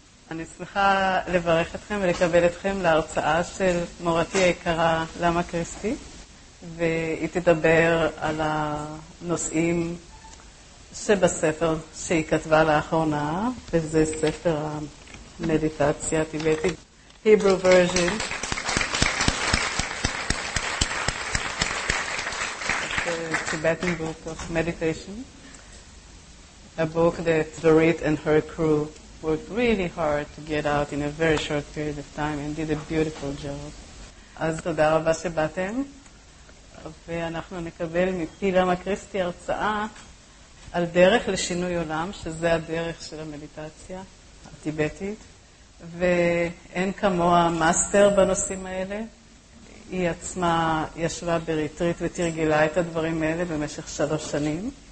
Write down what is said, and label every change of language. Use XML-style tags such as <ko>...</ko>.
<he>אני שמחה לברך אתכם ולקבל אתכם להרצאה של מורתי היקרה למה קריסטי, והיא תדבר על הנושאים שבספר שהיא כתבה לאחרונה, וזה ספר המדיטציה הטיבטית,</he> <en>Hebrew version. Tibetan book of meditation. A book that Dorit and her crew worked really hard to get out in a very short period of time and did a beautiful job.</en> <he>אז תודה רבה שבאתם. ואנחנו נקבל מפי למה קריסטי הרצאה על דרך לשינוי עולם, שזה הדרך של המדיטציה הטיבטית. ואין כמוה מאסטר בנושאים האלה. היא עצמה ישבה בריטריט ותרגילה את הדברים האלה במשך 3 שנים.</he>